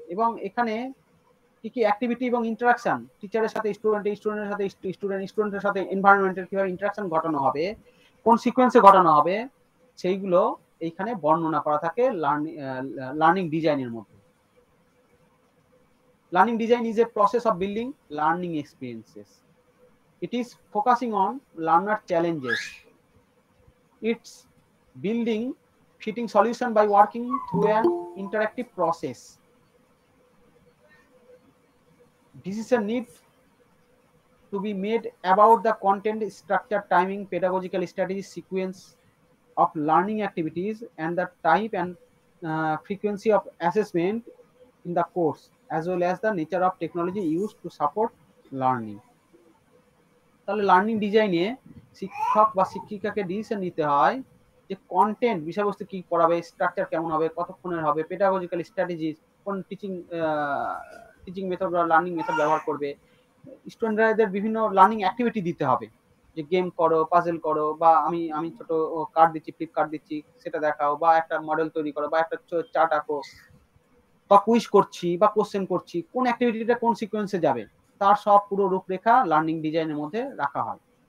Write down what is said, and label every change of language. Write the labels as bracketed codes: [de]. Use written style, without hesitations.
[bn] এবং এখানে কি কি অ্যাক্টিভিটি এবং ইন্টারাকশন টিচারের সাথে স্টুডেন্টের সাথে এনভায়রনমেন্টের কীভাবে ইন্টারাকশন ঘটানো হবে, কোন সিকোয়েন্সে ঘটানো হবে সেইগুলো এইখানে বর্ণনা করা থাকে লার্নিং ডিজাইনের মধ্যে। [en] Learning design is a process of building learning experiences. It is focusing on learner challenges. It's building fitting solution by working through an interactive process. Decision needs to be made about the content, structure, timing, pedagogical strategy, sequence of learning activities, and the type and frequency of assessment in the course, as well as the nature of technology used to support learning. [bn] তাহলে learning ডিজাইনে শিক্ষক বা শিক্ষিকাকে decision নিতে হয় যে content বিষয়বস্তু কি পড়াবে, স্ট্রাকচার কেমন হবে, কতক্ষণের হবে, পেডাগজিক্যাল স্ট্র্যাটেজিস কোন টিচিং টিচিং মেথড বা লার্নিং মেথড ব্যবহার করবে, স্টুডেন্টদের বিভিন্ন লার্নিং অ্যাক্টিভিটি দিতে হবে যে গেম করো, পাজেল করো, বা আমি আমি ছোট কার্ড দিচ্ছি, ফ্লিপ কার্ড দিচ্ছি সেটা দেখাও, বা একটা মডেল তৈরি করো, বা একটা চার্ট আঁকো, বা কুইজ করছি বা কোশ্চেন করছি, কোন অ্যাক্টিভিটিটা কোন সিকোয়েন্সে যাবে তার সব পুরো রূপরেখা লার্নিং ডিজাইনের মধ্যে রাখা হয়।